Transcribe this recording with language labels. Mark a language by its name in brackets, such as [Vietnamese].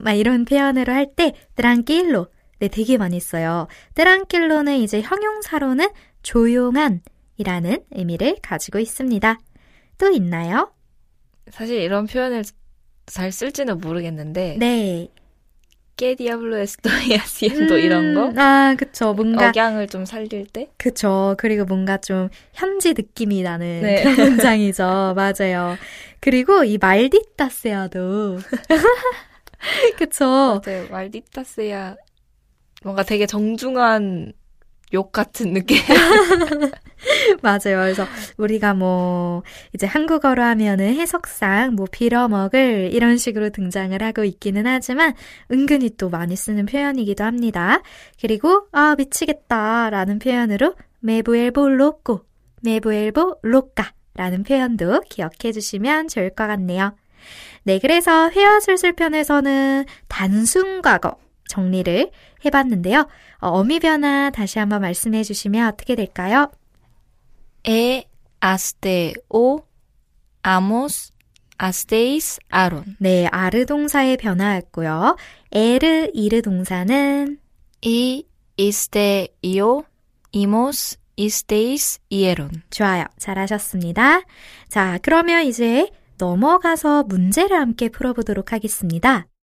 [Korean] 막 이런 표현으로 할 때, 트랑킬로. 네, 되게 많이 써요. 트랑킬로는 이제 형용사로는 조용한 이라는 의미를 가지고 있습니다. 또 있나요? 사실 이런 표현을 잘 쓸지는 모르겠는데. 네. [Spanish] Que diablo estoy haciendo [Korean] 이런 거? 아, 그쵸. 뭔가 억양을 좀 살릴 때? 그쵸. 그리고 뭔가 좀 현지 느낌이 나는 네. 그런 문장이죠. 맞아요. 그리고 이 말디타 세야도 그쵸. 맞아요. 말디타 세야 뭔가 되게 정중한 욕 같은 느낌. 맞아요. 그래서 우리가 뭐 이제 한국어로 하면은 해석상 뭐 빌어먹을 이런 식으로 등장을 하고 있기는 하지만 은근히 또 많이 쓰는 표현이기도 합니다. 그리고 아 미치겠다 라는 표현으로 [Spanish] me vuelvo loco, me vuelvo loca [Korean] 라는 표현도 기억해 주시면 좋을 것 같네요. 네, 그래서 회화술술편에서는 단순 과거 정리를 해봤는데요. 어미 변화 다시 한번 말씀해 주시면 어떻게 될까요? [Spanish] E aste o amos asteis aron. [Korean] 네, 아르 동사의 변화였고요. 에르 이르 동사는 이 이스테 이오 이모스 이스테이스 이에론. 좋아요, 잘하셨습니다. 자, 그러면 이제 넘어가서 문제를 함께 풀어보도록 하겠습니다.